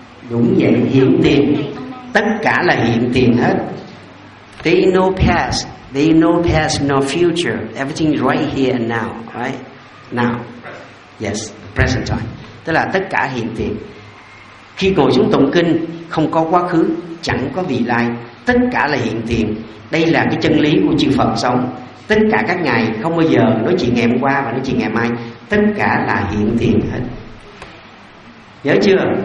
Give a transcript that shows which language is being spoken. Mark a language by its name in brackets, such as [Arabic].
[Vietnamese] Đúng vậy, hiện tiền, tất cả là hiện tiền hết. [English] They no past, they no past no future, everything right here and now, right now, yes, present time. [Vietnamese] Tức là tất cả hiện tiền. Khi ngồi xuống tụng kinh không có quá khứ, chẳng có vị lai, tất cả là hiện tiền. Đây là cái chân lý của chư Phật xong. Tất cả các ngài không bao giờ nói chuyện ngày hôm qua và nói chuyện ngày mai, tất cả là hiện tiền hết. Nhớ chưa?